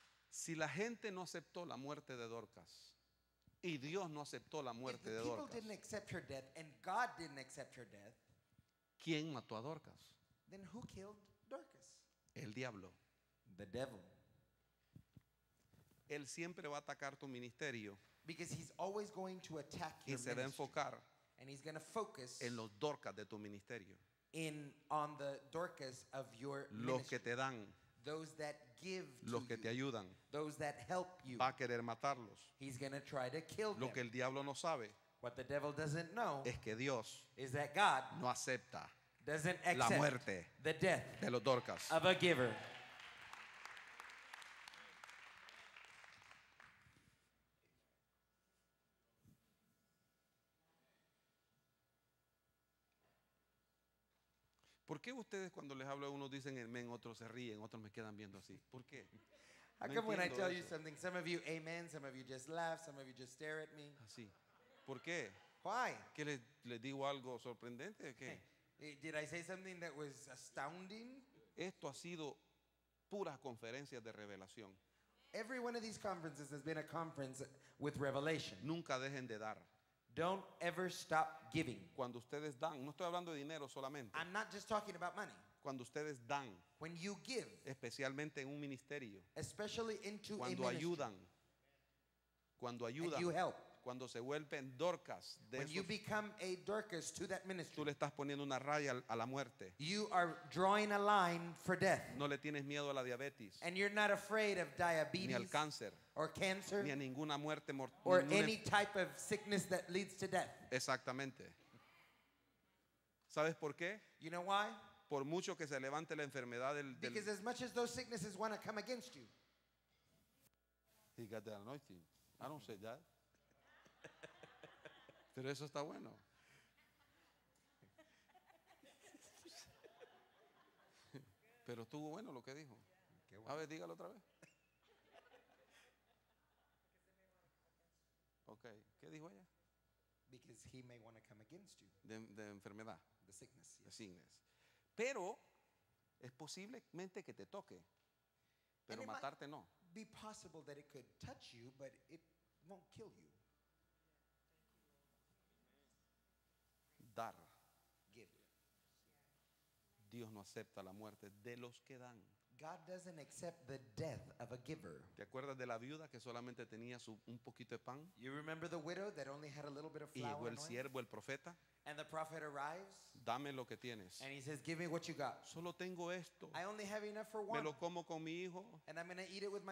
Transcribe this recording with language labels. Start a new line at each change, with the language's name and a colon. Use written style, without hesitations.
Spanish: Si la gente no aceptó la muerte de Dorcas y Dios no aceptó la muerte de Dorcas,
English: if the people didn't accept her death and God didn't accept her death,
Spanish: ¿quién mató a Dorcas?
English: Then who killed Dorcas?
Spanish: El diablo.
English: The devil.
Spanish: Él siempre va a atacar tu ministerio.
English: Because he's always going to attack your ministry.
Spanish: Y se va a enfocar.
English: And he's going to focus
Spanish: en los Dorcas de tu ministerio.
English: In on the Dorcas of your ministry.
Spanish: Los que te dan.
English: Those that give to
Spanish: los que te ayudan,
English: you, those that help you,
Spanish: va a querer matarlos.
English: He's going to try to kill
Spanish: lo
English: them.
Spanish: Que el diablo no sabe,
English: what the devil doesn't know
Spanish: es que Dios
English: is that God
Spanish: no acepta
English: doesn't accept
Spanish: la muerte
English: the death
Spanish: de los Dorcas.
English: Of a giver.
Spanish: ¿Por qué ustedes cuando les hablo a unos dicen amén, otros se ríen, otros me quedan viendo así? ¿Por qué?
English: How come when I tell you something, some of you amen, some of you just laugh, some of you just stare at me?
Spanish: Así. ¿Por qué?
English: Why?
Spanish: ¿Qué les digo algo sorprendente o qué?
English: Hey, did I say something that was astounding?
Spanish: Esto ha sido puras conferencias de revelación.
English: Every one of these conferences has been a conference with revelation.
Spanish: Nunca dejen de dar.
English: Don't ever stop giving.
Spanish: Cuando ustedes dan, no estoy hablando de dinero solamente.
English: I'm not just talking about money.
Spanish: Cuando ustedes dan,
English: when you give,
Spanish: especialmente en un ministerio,
English: especially into
Spanish: cuando
English: a ministry,
Spanish: ayudan, cuando ayudan,
English: and you help,
Spanish: cuando se vuelven Dorcas de
English: when
Spanish: esos,
English: you become a Dorcas to that ministry,
Spanish: tú le estás poniendo una raya a la muerte.
English: You are drawing a line for death.
Spanish: No le tienes miedo a la diabetes.
English: And you're not afraid of diabetes.
Spanish: Ni al cáncer.
English: Or cancer.
Spanish: Ni a ninguna muerte mortal.
English: Or any type of sickness that leads to death.
Spanish: Exactamente. ¿Sabes por qué?
English: You know why?
Spanish: Por mucho que se levante la enfermedad del, del
English: because as much as those sicknesses want to come against you. He got the anointing. I don't say that.
Spanish: Pero eso está bueno. Pero estuvo bueno lo que dijo. Qué bueno. A ver, dígalo otra vez. Okay. ¿Qué dijo ella?
English: Because he may want to come against you.
Spanish: De enfermedad.
English: The sickness. Yes. The sickness.
Spanish: Pero es posiblemente que te toque. Pero
English: and
Spanish: matarte no.
English: Be possible that it could touch you, but it won't kill you.
Spanish: Dar.
English: Give.
Spanish: Dios no acepta la muerte de los que dan.
English: God doesn't accept the death of a giver.
Spanish: ¿Te acuerdas de la viuda que solamente tenía su, un poquito de pan?
English: You remember the widow that only had a little bit of flour?
Spanish: Y llegó el siervo, el profeta.
English: And the prophet arrives.
Spanish: Dame lo que tienes.
English: And he says, give me what you got.
Spanish: Solo tengo esto.
English: I only have enough for one.
Spanish: Me lo como con mi hijo.
English: And I'm going to eat it with my